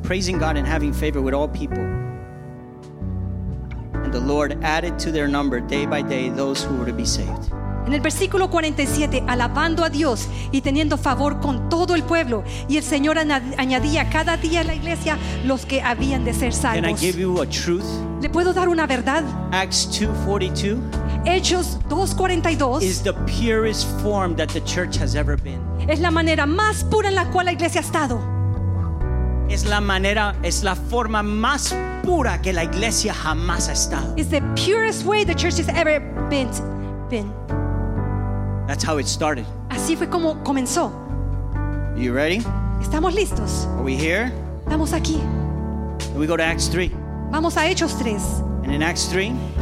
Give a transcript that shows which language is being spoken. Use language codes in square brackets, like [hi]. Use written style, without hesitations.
[en] Praising God and having favor with all people. And the Lord added to their number day by day those who were to be saved. [es] En el versículo 47, alabando a Dios y teniendo favor con todo el pueblo, y el Señor añadía cada día a la iglesia los que habían de ser salvos. [en] Can I give you a truth? [es] ¿Le puedo dar una verdad? [en] Acts 2:42. [es] Hechos 2:42 [en] is the purest form that the church has ever been. [es] Es la manera más pura en la cual la iglesia ha estado. Es la forma más pura que la iglesia jamás ha estado. [en] It's the purest way the church has ever been. That's how it started. [es] Así fue como comenzó. [en] You ready? [es] ¿Estamos listos? [en] Are we here? [es] Estamos aquí. [en] Then we go to Acts 3. [es] Vamos a Hechos 3. [en] And in Acts 3,